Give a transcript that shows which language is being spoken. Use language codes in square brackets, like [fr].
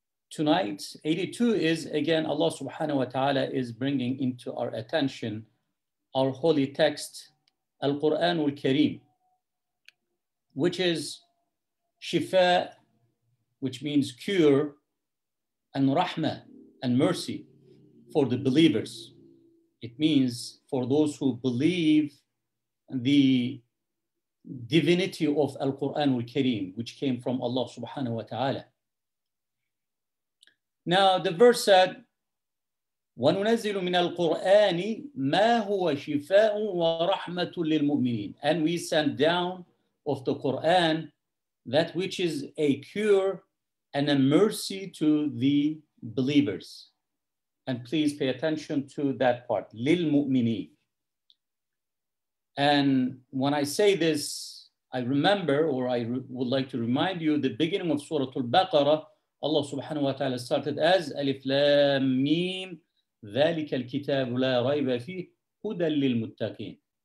[en] Tonight, 82 is, again, Allah subhanahu wa ta'ala is bringing into our attention our holy text, Al-Qur'an al-Kareem, which is shifa, which means cure, and rahmah, and mercy for the believers. It means for those who believe the divinity of Al-Qur'an al-Kareem, which came from Allah subhanahu wa ta'ala. Now, the verse said, [ar] وَنُنَزِّلُ مِنَ الْقُرْآنِ مَا هُوَ شِفَاءٌ وَرَحْمَةٌ لِلْمُؤْمِنِينَ. [en] And we send down of the Qur'an that which is a cure and a mercy to the believers. And please pay attention to that part, [ar] لِلْمُؤْمِنِينَ. [en] And when I say this, I remember, or I would like to remind you, the beginning of Surah Al-Baqarah, Allah subhanahu wa ta'ala started as Alif Lam Mim, [ar] ذَلِكَ الْكِتَابُ لَا رَيْبَ فِيهِ هُدًى لِلْمُتَّقِينَ.